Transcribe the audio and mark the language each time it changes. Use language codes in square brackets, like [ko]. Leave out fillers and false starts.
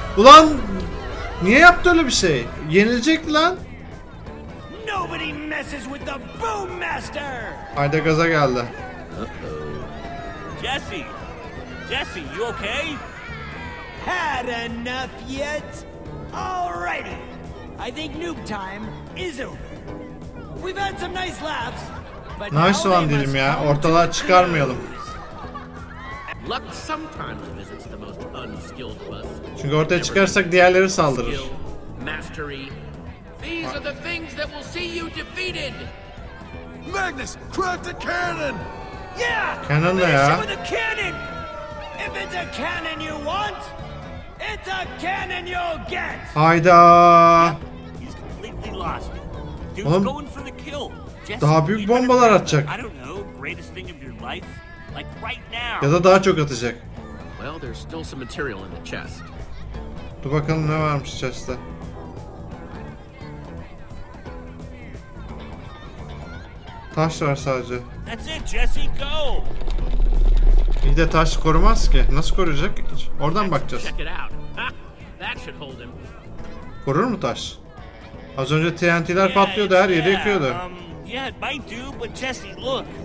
[tr] Ulan niye yaptı öyle bir şey? Yenilecek lan. [en] Nobody messes with the boom master. [tr] Hayda gaza geldi. [en] Jesse. Jesse, you okay? Had enough yet? Alrighty. I think noob time is over. We've had some nice laughs, but nice one [tr] dedim ya. Ortalığa çıkarmayalım. [en] Luck sometimes visits the most unskilled of us. [tr] Çünkü ortaya çıkarsak diğerleri saldırır. [en] Mastery. These are the things that will see you defeated. Magnus, craft a cannon. Yeah. [tr] Cannon ne ya? [en] The cannon. If it's a cannon you want, it's a cannon you'll get. [tr] Hayda. [en] He's completely lost. Dude's going for the kill. [tr] Daha büyük bombalar atacak. [en] I don't know, greatest thing of your life. Like right now. [tr] Ya da daha çok atacak. [en] Well, there's still some material in the chest. [tr] Dur bakalım ne varmış chest'te. Taş var sadece. [en] That's it, Jesse, go. [tr] İyi de taş korumaz ki. Nasıl koruyacak? Oradan bakacağız. [en] That should hold him. [tr] Korur mu taş? Az önce TNT'ler patlıyordu, her yeri yakıyordu. [en] Yeah, it might do, but Jesse, look.